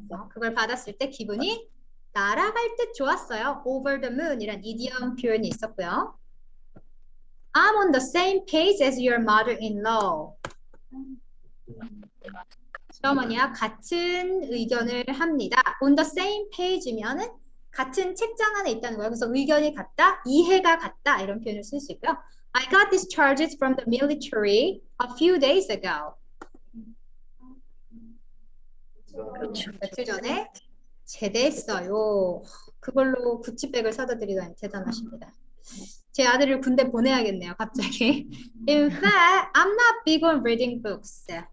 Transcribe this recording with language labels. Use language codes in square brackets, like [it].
[ko] 그걸 받았을 때 기분이 날아갈 듯 좋았어요. [en] Over the moon [ko] 이런 이디엄 표현이 있었고요. [en] I'm on the same page as your mother-in-law. [ko] 시어머니와 같은 의견을 합니다. [en] On the same page [ko] 면은 같은 책장 안에 있다는 거예요. 그래서 의견이 같다, 이해가 같다 이런 표현을 쓸수 있고요. [en] I got discharged from the military a few days ago. [ko] 며칠 전에 제대했어요. 그걸로 구찌백을 사다 드리다니 대단하십니다. 제 아들을 군대 보내야겠네요, 갑자기. [en] In fact, I'm not big on reading books.